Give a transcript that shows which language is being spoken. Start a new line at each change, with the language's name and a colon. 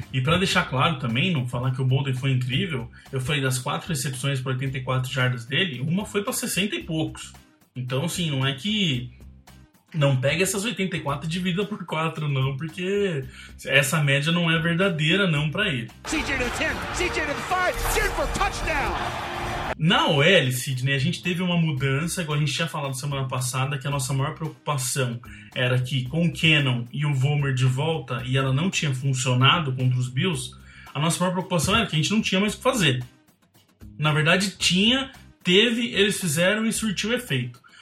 Portuguese: E para deixar claro também, não falar que o Bolden foi incrível, eu falei das 4 recepções por 84 jardas dele, uma foi para 60 e poucos. Então, assim, não é que não pega essas 84 e divida por 4, não, porque essa média não é verdadeira, não, pra ele.
English: CJ to 10, CJ to 5, Sidney for touchdown!
Portuguese: Na OL, Sidney, a gente teve uma mudança, igual a gente tinha falado semana passada, que a nossa maior preocupação era que com o Cannon e o Vollmer de volta, e ela não tinha funcionado contra os Bills, a nossa maior preocupação era que a gente não tinha mais o que fazer. Na verdade, tinha, teve, eles fizeram e surtiu efeito.